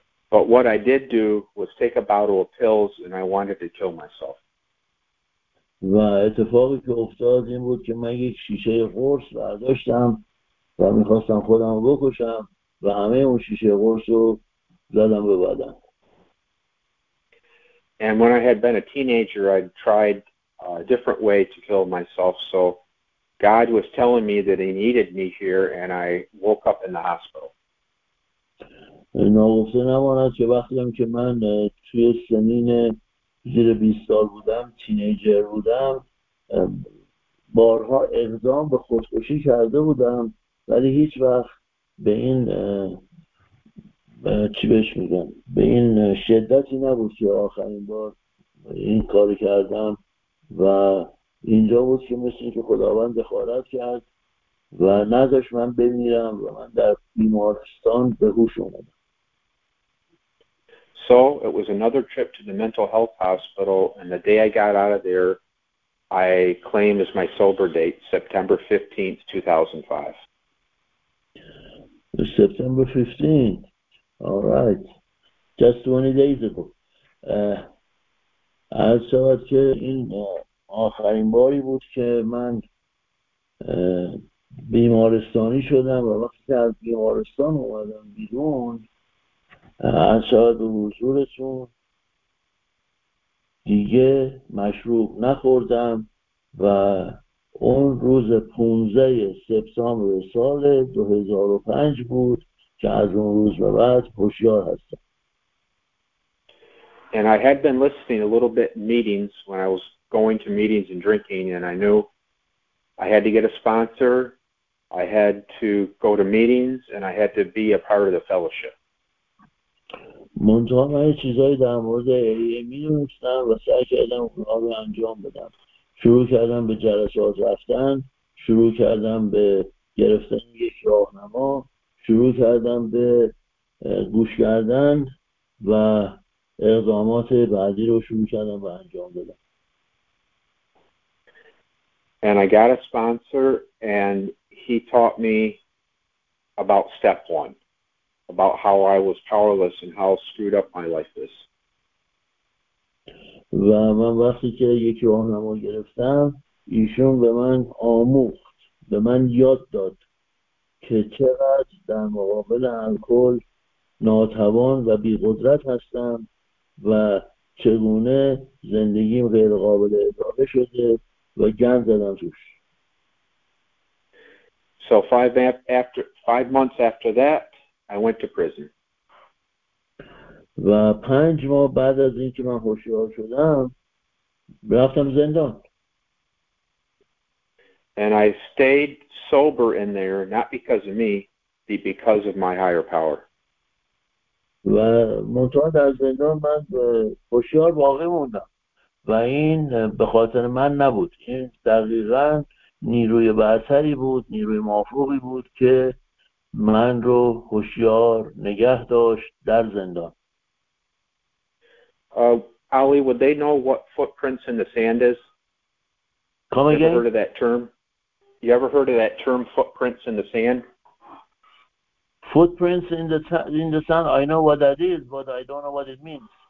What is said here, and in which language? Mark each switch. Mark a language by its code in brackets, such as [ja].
[en] But what I did do was take a bottle of pills, and I wanted to kill myself. [fa] و اتفاقی که افتاد این بود که من یک شیشه قرص برداشتم و میخواستم خودم رو بکشم و همه اون شیشه قرص رو زدم به بدن. [en] And when I had been a teenager, I tried a different way to kill myself. So God was telling me that He needed me here, and I woke up in the hospital. [fa] ناگفته نماند که وقتی هم که من توی سنین زیر 20 سال بودم، تینیجر بودم، بارها اقدام به خودکشی کرده بودم ولی هیچ وقت به این چی بهش میگم به این شدتی نبود که آخرین بار این کار کردم و اینجا بود که مثل اینکه خداوند دخالت کرد و نذاشت من بمیرم و من در بیمارستان به هوش اومدم. [en] So it was another trip to the mental health hospital, and the day I got out of there, I claim as my sober date, September 15th, 2005. September 15th. All right. Just 20 days ago. [fa] از شبت که این آخرین باری بود که من بیمارستانی شدم و وقتی که از بیمارستان اومدم بیرون، از شاد و حضورتون دیگه مشروب نخوردم و اون روز 15 سپتامبر سال 2005 بود که از اون روز به بعد هوشیار هستم. [en] And I had been listening a little bit in meetings when I was going to meetings and drinking, and I knew I had to get a sponsor, I had to go to meetings, and I had to be a part of the fellowship. [fa] منتها من چیزایی در مورد ایه میدونستم و سعی کردم اونها رو انجام بدم. شروع کردم به جلسات رفتن، شروع کردم به گرفتن یک راهنما، شروع کردم به گوش کردن و اقدامات بعدی رو شروع کردم و انجام دادم. [en] And I got a sponsor and he taught me about step one. About how I was powerless and how screwed up my life is. [fa] و من وقتی که یک راهنما گرفتم، ایشون به من آموخت، به من یاد داد که چقدر در مقابل الکل ناتوان و بی‌قدرت هستم و چگونه زندگیم غیر قابل اداره شده و گند زدم توش. [en] So five months after that, I went to prison. [fa] و 5 ماه بعد از اینکه من هوشیار شدم، رفتم زندان. [en] And I stayed sober in there not because of me, but because of my higher power. [fa] و منتها در زندان من هوشیار باقی موندم و این به خاطر من نبود. این دقیقاً نیروی برتری بود، نیروی مافوقی بود که من رو هوشیار نگه داشت در زندان. [en] Ali, would they know what footprints in the sand is? Come again? You ever heard of that term? You ever heard of that term, footprints in the sand? Footprints in the sand. I know what that is, but I don't know what it means.